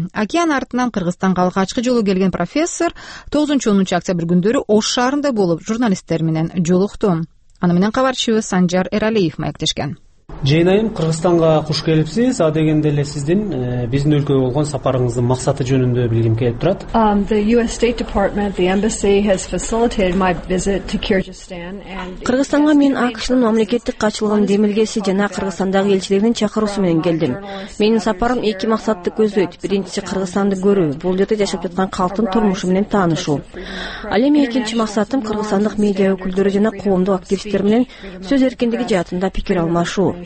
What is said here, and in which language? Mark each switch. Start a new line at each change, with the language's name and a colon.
Kyrgyz: Океан артынан Кыргызстанга алгачкы жолу келген профессор 9-10 октябрь күндөрү Ош шаарында болуп, журналисттер менен жолукту. Аны менен кабарчыбыз Санжар Эралиев маектешкен. Жейн айым, Кыргызстанга куш келипсиз. А дегенде эле сиздин биздин өлкөгө болгон сапарыңыздын максаты жөнүндө билгим келип турат.
English: The US State Department, the embassy has facilitated my visit to Kyrgyzstan and
Kyrgyz: Кыргызстанга мен АКШнын мамлекеттик качылыгынын демилгеси жана Кыргызстандагы элчилердин чакыруусу менен келдим. Менин сапарым эки максатты көздөйт. Биринчиси Кыргызстанды көрүү, бул жерде жашап жаткан калктын турмушу менен таанышуу. Ал эми экинчи максатым Кыргызстандык медиа өкүлдөрү жана коомдук активисттер менен сөз эркиндиги жаатында пикир алмашуу.